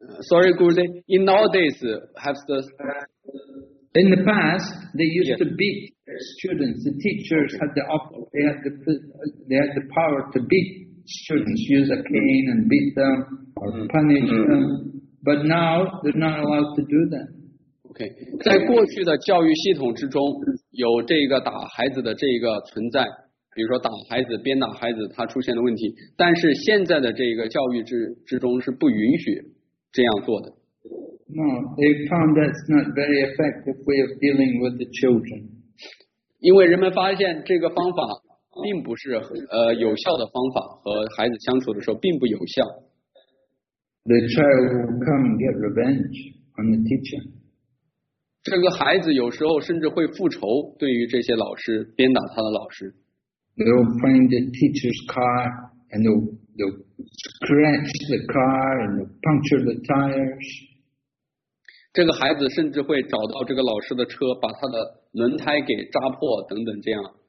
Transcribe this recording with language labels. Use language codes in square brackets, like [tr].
[en] Sorry, Gurudev. In nowadays, have the... In the past, they used to beat students. The teachers had the they had the power to beat students, use a cane and beat them. Or punish them, but now they're not allowed to do that. [zh] Okay, 在过去的教育系统之中，有这个打孩子的这个存在，比如说打孩子、鞭打孩子，他出现的问题。但是现在的这个教育之中是不允许这样做的。 [en] No, they found that's not very effective way of dealing with the children. [zh] 因为人们发现这个方法并不是有效的方法，和孩子相处的时候并不有效。 [en] The child will come and get revenge on the teacher. [zh] 这个孩子有时候甚至会复仇，对于这些老师鞭打他的老师。 [en] They'll find the teacher's car and they'll scratch the car and puncture the tires. [zh] 这个孩子甚至会找到这个老师的车，把他的轮胎给扎破等等这样。